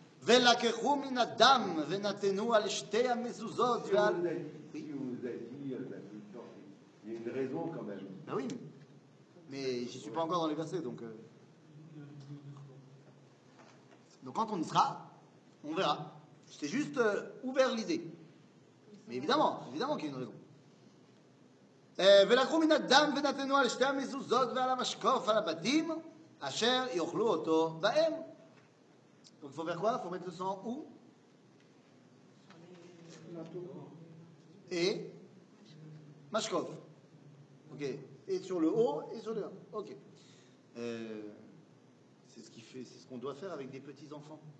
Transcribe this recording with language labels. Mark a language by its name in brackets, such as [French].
[Hebrew] ולקחו מן הדם ונתנו על שתי המזוזות ועל... [French] Il nous a dit, il y a une raison quand même. Ah oui, mais je ne suis pas encore dans les versets, donc... Donc quand on y sera, on verra. C'est juste ouvert l'idée. Mais évidemment qu'il y a une raison. [Hebrew] ולקחו מן הדם ונתנו על שתי המזוזות ועל המשקוף על הבתים אשר יאכלו אותו בהם. [French] Donc il faut faire quoi? Il faut mettre le sang où? Et Mashkov. Ok. Et sur le haut et sur le bas. Ok. C'est ce qu'on doit faire avec des petits enfants.